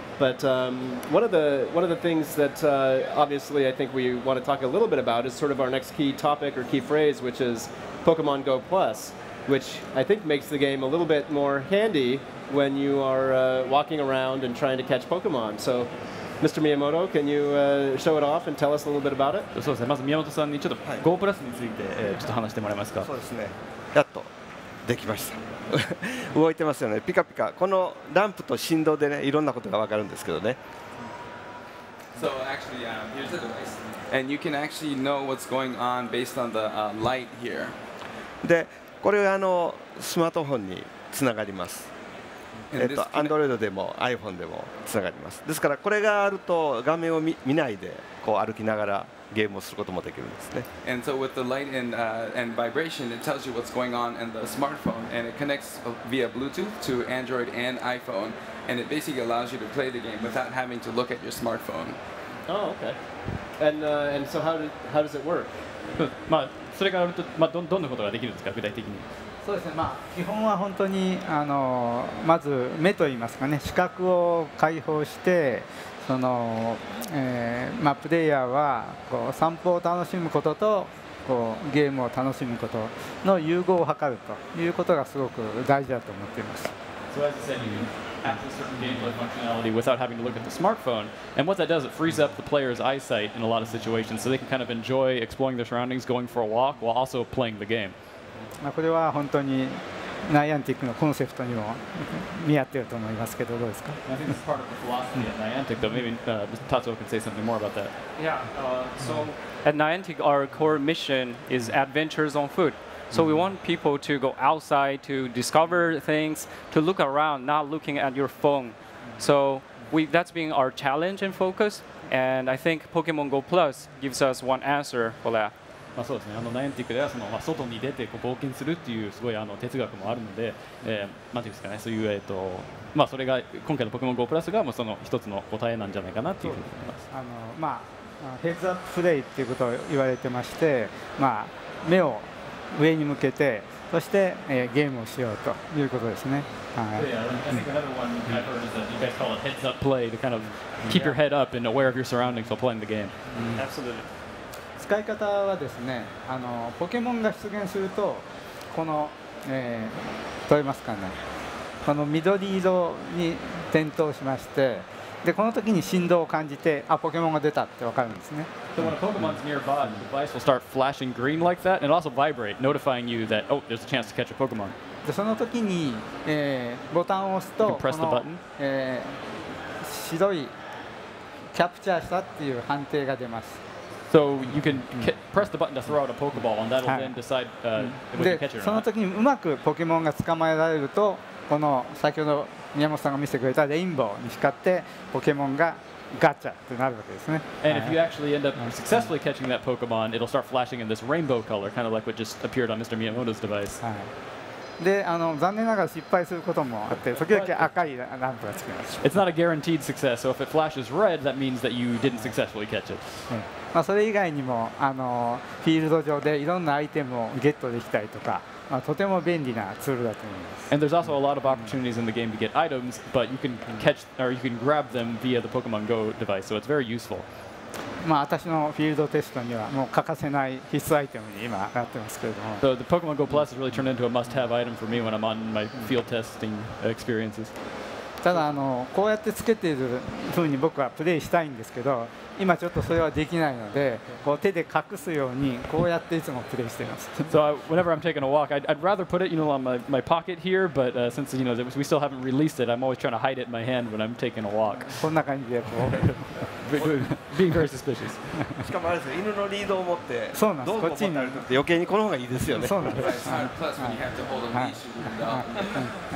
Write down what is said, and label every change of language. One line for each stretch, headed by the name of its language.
English: But one of the things that obviously I think we want to talk a little bit about is sort of our next key topic or key phrase, which is Pokemon Go Plus, which I think makes the game a little bit more handy when you are walking around and trying to catch Pokemon. So, Mr. Miyamoto, can you show it off and tell us a little bit about it?
Japanese: そうですね。まず宮本さんにちょっと Go Plus についてちょっと話してもらえますか。そうですね。やっとできました。動いてますよね、ピカピカ。このランプと振動でね、いろんなことが分かるんですけどね。
English: So actually, here's the device. And you can actually know what's going on based on the light here.
Japanese: で、これがスマートフォンにつながります。 Android でも iPhone でもつながります。ですから、これがあると画面を 見ないでこう歩きながらゲームをすることもできるんですね。
English: And so with the light and vibration, it tells you what's going on in the smartphone, and it connects via Bluetooth to Android and iPhone, and it basically allows you to play the game without having to look at your smartphone. Oh, okay. And so how does it work?
Japanese: まあそれがあると、まあどんなことができるんですか、具体的に。そうですね。まあ基本は本当にまず目と言いますかね、視覚を解放して。まあ、プレイヤーはこう散歩を楽しむこととこうゲームを楽しむことの融合を図るということがすごく大事だと思っています。
English: So as I said, you can access certain gameplay functionality without having to look at the smartphone. And what that does, it frees up the player's eyesight in a lot of situations so they can kind of enjoy exploring their surroundings, going for a walk while also playing the game.
Japanese: まあ、これは本当にNiantic のコンセプトにも見合ってると思いますけど、どうですか？
English: I think it's part of the philosophy at Niantic, though. Maybe Tatsuo can say something more about that. Yeah, so at Niantic, our core mission is adventures on foot. So we want people to go outside to discover things, to look around, not looking at your phone. So that's been our challenge and focus. And I think Pokemon Go Plus gives us one answer for that.
Japanese: まあそうですね、ナイアンティックではその、まあ、外に出てこう冒険するっていうすごい哲学もあるので、なんていうんですかね、そういう、まあ、それが今回のポケモン GO プラスがもうその一つの答えなんじゃないかなというふうに思います。まあ、ヘッズアッププレイっていうことを言われてまして、まあ、目を上に向けて、そして、ゲームをしようということですね。はい。
English: Yeah, I think another one I've heard is that you guys call it heads up play to kind of keep your head up and aware of your surroundings while playing the game. Absolutely.
Japanese: 使い方はですね、ポケモンが出現するとこの、取れますかね、この緑色に点灯しまして、でこの時に振動を感じて、あ、ポケモンが出たってわかるんですね。
English: So when a Pokemon's nearby, the device will start flashing green like that, and also vibrate, notifying you that, oh, there's a chance to catch a Pokemon.
Japanese: でその時に、ボタンを押すと、
English: you can press the button.
Japanese: この、白いキャプチャーしたっていう判定が出ます。
English: So you can press the button to throw out a Pokeball, and that'll then decide if we can catch it or not.
Japanese: その時にうまくポケモンが捕まえられると、この先ほど宮本さんが見せてくれたレインボーに光ってポケモンが gacha ってなるわけですね。
English: And if you actually end up successfully catching that Pokemon, it'll start flashing in this rainbow color, kind of like what just appeared on Mr. Miyamoto's device.
Japanese: はい。で、あの、残念ながら失敗することもあって、時々赤いランプがつきます。
English: It's not a guaranteed success, so if it flashes red, that means that you didn't successfully catch it.
Japanese: まあ、それ以外にも、あの、フィールド上でいろんなアイテムをゲットできたりとか、まあ、とても便利なツールだと思います。
English: And there's also a lot of opportunities in the game to get items, but you can catch or you can grab them via the Pokemon Go device, so it's very useful.
Japanese: まあ、私のフィールドテストにはもう欠かせない必須アイテムに今なってますけれども。
English: So the Pokemon Go Plus has really turned into a must-have item for me when I'm on my field testing experiences.
Japanese: ただ、あの、こうやってつけている風に僕はプレイしたいんですけど、今ちょっとそれはできないので、こう手で隠すようにこうやっていつもプレイしています。
English: So I, whenever I'm taking a walk, I'd rather put it, you know, on my pocket here, but since you know we still haven't released it, I'm always trying to hide it in my hand when I'm taking a walk.
Japanese: こんな感じでこう。
English: Being very suspicious.
Japanese: しかもあれですね、犬のリードを持って、そうなんです。こっちに余計にこの方がいいですよね。そうなんです。
English: Plus when you have to hold a leash.